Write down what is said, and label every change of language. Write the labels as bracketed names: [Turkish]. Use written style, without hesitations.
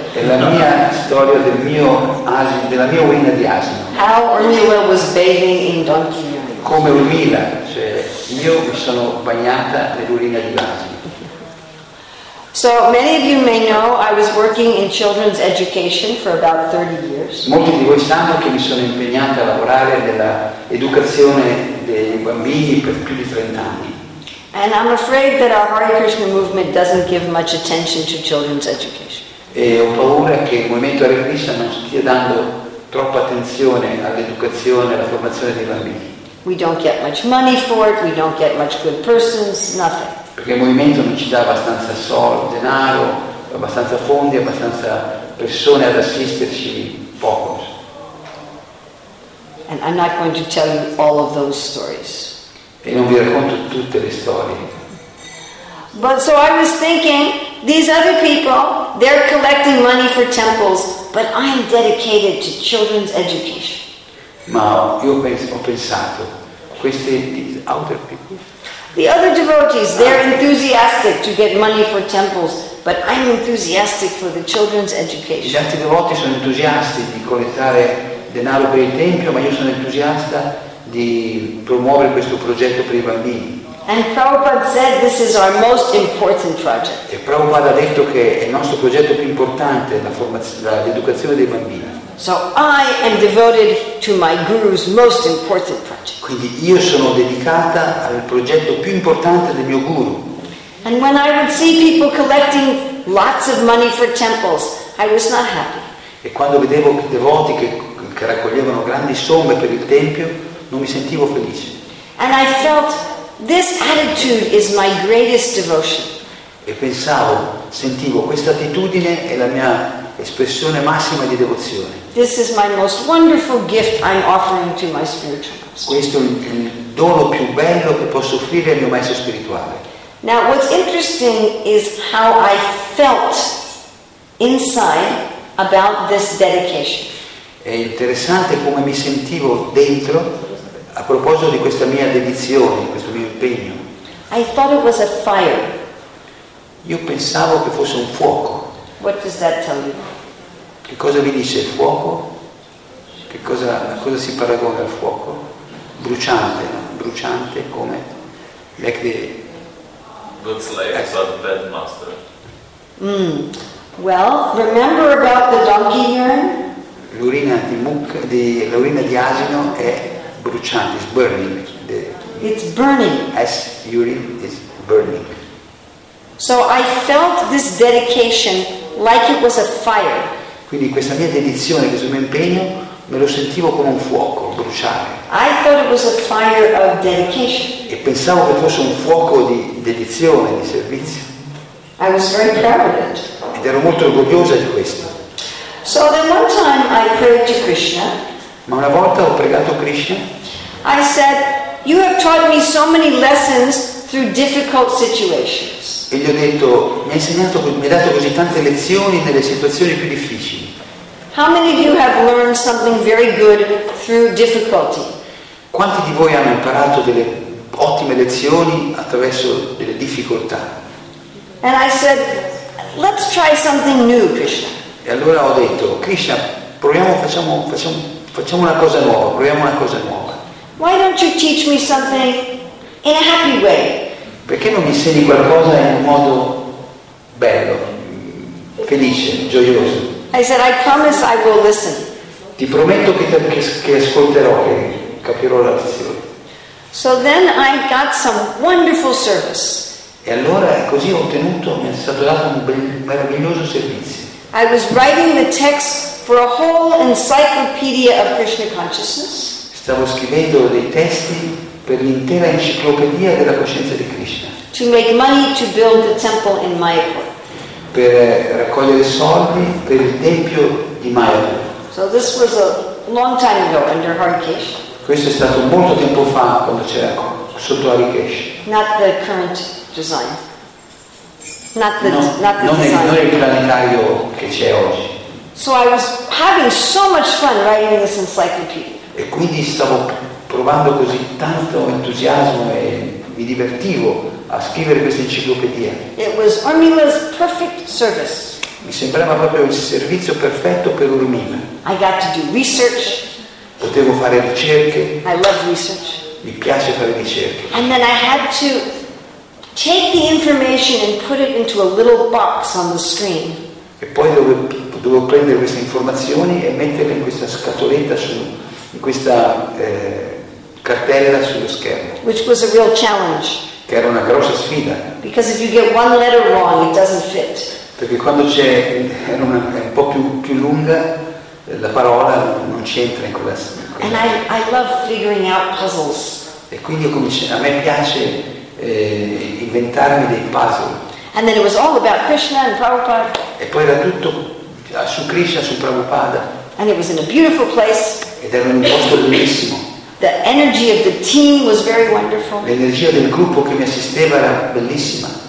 [Italian] È la mia storia del mio asino, della mia urina di asino. [English] How Urmila was bathing in donkey urine. [Italian] Come Urmila, cioè io mi sono bagnata nell'urina di asino. [English] So many of you may know I was working in children's education for about 30 years. [Italian] Molti di voi sanno che mi sono impegnata a lavorare nella educazione dei bambini per più di 30 anni. [English] And I'm afraid that our Hare Krishna movement doesn't give much attention to children's education. [Italian] E ho paura che il movimento Hare Krishna non stia dando troppa attenzione all'educazione, alla formazione dei bambini. [English] We don't get much money for it, we don't get much good persons, nothing. [Italian] Perché il movimento non ci dà abbastanza soldi, denaro, abbastanza fondi, abbastanza persone ad assisterci, poco. [English] And I'm not going to tell you all of those stories. [Italian] E non vi racconto tutte le storie. [English] But so I was thinking, these other people, they're collecting money for temples, but I'm dedicated to children's education. [Italian] Ma io ho pensato, [English] these other people. The other devotees, they're enthusiastic to get money for temples, but I'm enthusiastic for the children's education. [Italian] Gli altri devoti sono entusiasti di collettare denaro per il tempio, ma io sono entusiasta di promuovere questo progetto per i bambini. [English] And Prabhupada said this is our most important project. [Italian] E Prabhupada ha detto che è il nostro progetto più importante, la formazione, l'educazione dei bambini. [English] So I am devoted to my guru's most important project. [Italian] Quindi io sono dedicata al progetto più importante del mio guru. [English] And when I would see people collecting lots of money for temples, I was not happy. [Italian] E quando vedevo devoti che raccoglievano grandi somme per il tempio, non mi sentivo felice. [English] And I felt this attitude is my greatest devotion. [Italian] E pensavo, sentivo, questa attitudine è la mia espressione massima di devozione. [English] This is my most wonderful gift I'm offering to my spiritual master. [Italian] Questo è il dono più bello che posso offrire al mio maestro spirituale. [English] Now what's interesting is how I felt inside about this dedication. [Italian] È interessante come mi sentivo dentro a proposito di questa mia dedizione, di questo mio impegno. [English] I thought it was a fire. [Italian] Io pensavo che fosse un fuoco. [English] What does that tell you? [Italian] Che cosa vi dice il fuoco? Che cosa, a cosa si paragona al fuoco? Bruciante, no? Bruciante come? [English] Like the good slave, but bad master. Mm. Well, remember about the donkey urine? [Italian] L'urina di mucca, di l'urina di asino è bruciante, [English] it's burning. It's burning. As urine is burning. So I felt this dedication like it was a fire. [Italian] Quindi questa mia dedizione, questo mio impegno, me lo sentivo come un fuoco bruciare. [English] I thought it was a fire of dedication. [Italian] E pensavo che fosse un fuoco di dedizione, di servizio. [English] I was very proud of it. [Italian] Ed ero molto orgogliosa di questo. [English] So then one time I prayed to Krishna. [Italian] Ma una volta ho pregato Krishna. [English] I said, "You have taught me so many lessons through difficult situations." [Italian] E gli ho detto, mi hai insegnato, mi hai dato così tante lezioni nelle situazioni più difficili. [English] How many of you have learned something very good through difficulty? [Italian] Quanti di voi hanno imparato delle ottime lezioni attraverso delle difficoltà? [English] And I said, "Let's try something new, Krishna." [Italian] E allora ho detto, Krishna, proviamo, facciamo una cosa nuova, proviamo una cosa nuova. [English] Why don't you teach me something in a happy way? [Italian] Perché non mi insegni qualcosa in un modo bello, felice, gioioso? [English] I said, I promise I will listen. [Italian] Ti prometto che ascolterò, che capirò la lezione. [English] So then I got some wonderful service. [Italian] E allora così ho ottenuto, mi è stato dato un meraviglioso servizio. [English] I was writing the text for a whole encyclopedia of Krishna consciousness. [Italian] Stavo scrivendo dei testi per l'intera enciclopedia della coscienza di Krishna. [English] To make money to build the temple in Mayapur. [Italian] Per raccogliere soldi per il tempio di Mayapur. [English] So this was a long time ago under Harikesh. [Italian] Questo è stato molto tempo fa quando c'era sotto Harikesh. [English] Not the current design. Not the, no, not the [Italian] non, [English] design. [Italian] È, non è il planetario che c'è oggi. [English] So I was having so much fun writing this encyclopedia. [Italian] E quindi stavo provando così tanto entusiasmo e mi divertivo a scrivere questa enciclopedia. [English] It was Urmila's perfect service. [Italian] Mi sembrava proprio il servizio perfetto per Urmila. [English] I got to do research. [Italian] Potevo fare ricerche. [English] I love research. [Italian] Mi piace fare ricerche. [English] And then I had to take the information and put it into a little box on the screen. [Italian] E poi dovevo prendere queste informazioni e metterle in questa scatoletta su in questa cartella sullo schermo. [English] Which was a real challenge. [Italian] Che era una grossa sfida. [English] Because if you get one letter wrong, it doesn't fit. [Italian] Perché quando c'è è un po' più lunga la parola non c'entra in quella. [English] And I love figuring out puzzles. [Italian] E quindi io a me piace inventarmi dei puzzle. [English] And then it was all about Krishna and Prabhupada. [Italian] E poi era tutto su Krishna, su Prabhupada. [English] And it was in a beautiful place. [Italian] Ed era in un posto bellissimo. [English] The energy of the team was very wonderful. [Italian] L'energia del gruppo che mi assisteva era bellissima.